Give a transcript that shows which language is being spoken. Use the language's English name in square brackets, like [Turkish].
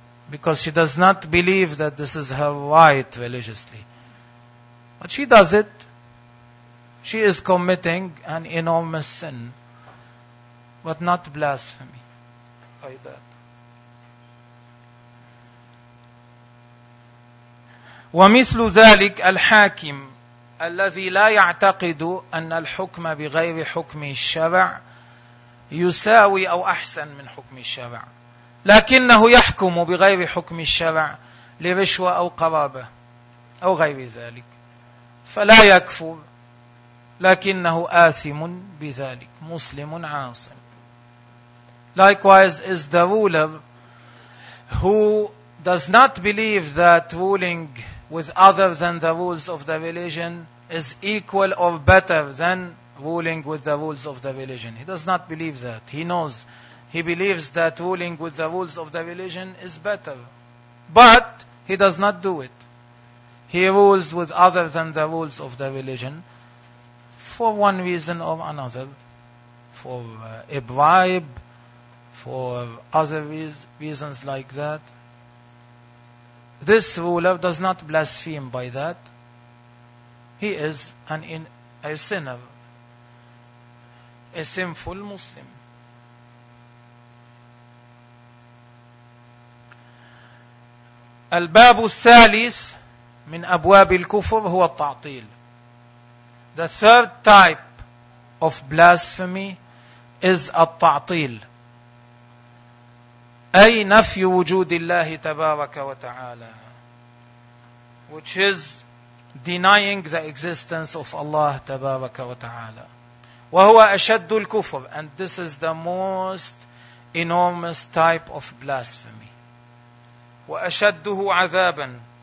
[English] Because she does not believe that this is her right religiously. But she does it. She is committing an enormous sin. But not blasphemy by that. [Arabic] ومثل ذلك الحاكم الذي لا يعتقد أن الحكم بغير حكم الشرع يساوي أو أحسن من حكم الشرع لكنه يحكم بغير حكم الشرع لرشوة أو قرابة أو غير ذلك فلا يكفر لكنه آثم بذلك مسلم عاصم [English] Likewise is the ruler who does not believe that ruling with other than the rules of the religion is equal or better than ruling with the rules of the religion. He does not believe that. He knows. He believes that ruling with the rules of the religion is better. But he does not do it. He rules with other than the rules of the religion for one reason or another, for a bribe, for other reasons like that. This ruler does not blaspheme by that. He is a sinner, a sinful Muslim. [Arabic] الباب الثالث من أبواب الكفر هو التعطيل. [English] The third type of blasphemy is التعطيل. [Arabic] أي نفي وجود الله تبارك وتعالى. [English] Which is denying the existence of Allah [Arabic] تبارك وتعالى. وهو أشد الكفر. [English] And this is the most enormous type of blasphemy. [Arabic] وأشده عذابا.